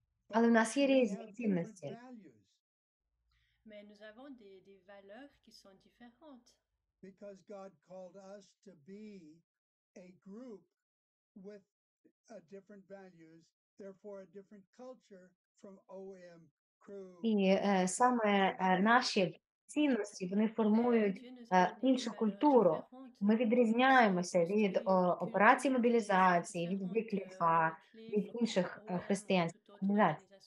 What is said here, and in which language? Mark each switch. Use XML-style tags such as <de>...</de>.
<uk>Але в нас є різні цінності.</uk> <fr>Mais nous avons des valeurs qui sont différentes.</fr> <en>Because God called us to be a group with a different values, therefore a different culture from OM crew.</en> <uk>І саме наші цінності, вони формують іншу культуру. Ми відрізняємося від операції мобілізації, від Вікліфа, від інших християнських організацій.</uk>